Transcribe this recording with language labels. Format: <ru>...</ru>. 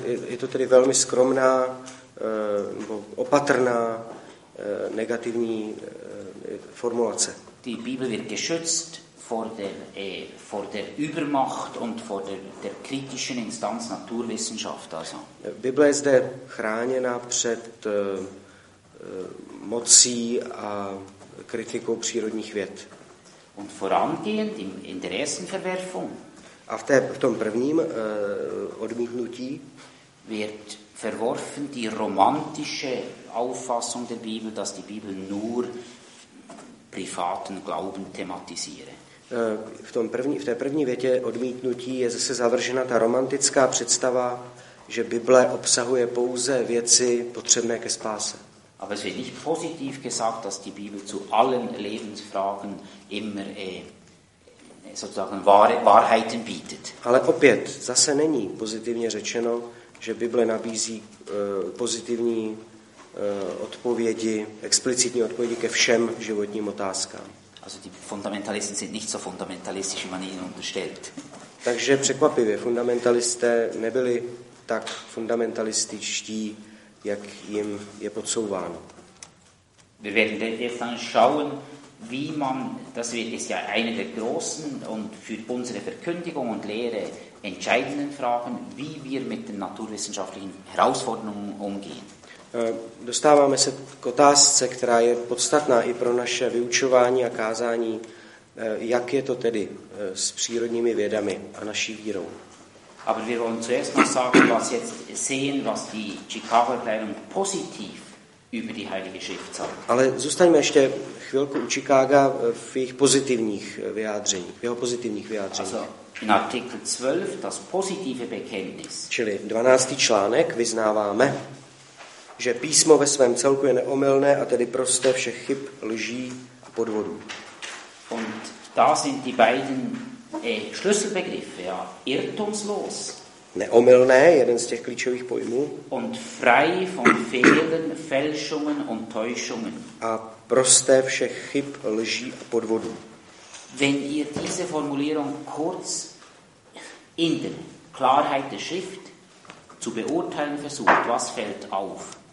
<cs>Je to tedy velmi skromná, opatrná negativní formulace.</cs> <de>Die Bibel wird geschützt vor der Übermacht und vor der kritischen Instanz Naturwissenschaft. Also.</de> <cs>Bible je zde chráněna před mocí a kritikou přírodních věd.</cs> <de>Und vorangehend in der ersten Verwerfung.</de> <cs>A v tom prvním odmítnutí</cs> <de>wird verworfen die romantische Auffassung der Bibel, dass die Bibel nur privaten Glauben thematisiere.</de> <cs>V té první větě odmítnutí je zase zavržena ta romantická představa, že Bible obsahuje pouze věci potřebné ke spáse.</cs> <de>Aber es wird nicht positiv gesagt, dass die Bibel zu allen Lebensfragen immer sozusagen Wahrheiten bietet.</de> <cs>Ale opět, zase není pozitivně řečeno, že Bible nabízí pozitivní odpovědi, explicitní odpovědi ke všem životním otázkám.</cs> <de>Also die Fundamentalisten sind nicht so fundamentalistisch, wie man ihnen unterstellt.</de> <cs>Takže překvapivě, fundamentalisté nebyli tak fundamentalističtí, jak jim je podsouváno.</cs> <de>Wir werden jetzt dann schauen, wie man, das ist ja eine der großen und für unsere Verkündigung und Lehre entscheidenden Fragen, wie wir mit den naturwissenschaftlichen Herausforderungen umgehen.</de> <cs>Dostáváme se k otázce, která je podstatná i pro naše vyučování a kázání, jak je to tedy s přírodními vědami a naší vírou.</cs> <de>Aber wir wollen zuerst mal sagen, was jetzt sehen, was die Chicago Erklärung positiv über die Heilige Schrift sagt.</de> <cs>Ale zůstaňme ještě chvilku u Chicaga v jejich pozitivních vyjádřeních, v jeho pozitivních vyjádřeních.</cs> <de>Also in Artikel 12 das positive Bekenntnis.</de> <cs>Čili 12. článek vyznáváme, že písmo ve svém celku je neomylné a tedy prosté všech chyb, lží a podvodů.</cs> <de>Und da sind die beiden Schlüsselbegriffe, ja, irrtumslos.</de> <cs>Neomylné, jeden z těch klíčových pojmů.</cs> <de>Und frei von Fehlern, Fälschungen und Täuschungen.</de> <cs>A prosté všech chyb, lží a podvodů.</cs> <de>Wenn ihr diese Formulierung kurz in der Klarheit der Schrift zu beurteilen versucht, was fällt auf?</de>